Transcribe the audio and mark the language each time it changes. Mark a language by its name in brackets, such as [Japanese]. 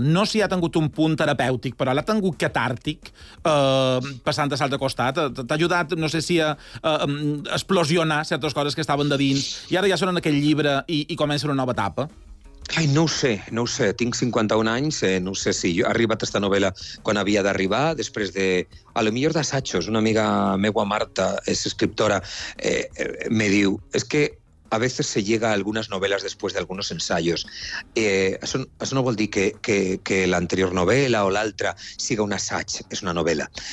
[Catalan] No si ha tingut un punt terapèutic, però l'ha tingut catàrtic, passant de l'altre costat. T'ha ajudat, no sé si, a explosionar certes coses que estaven de dins i ara ja són en aquest llibre i comença una nova etapa. Ai, no ho sé, tinc 51 anys, no sé si jo he arribat a esta novel·la quan havia d'arribar, després de, a lo millor, d'assajos. Una amiga meua, Marta, és escriptora, me diu, [Spanish] es que a veces se llega a algunas novelas después de algunos ensayos. [Catalan] Eso no vol dir que l'anterior novel·la o l'altra siga un assaig, és una novel·la.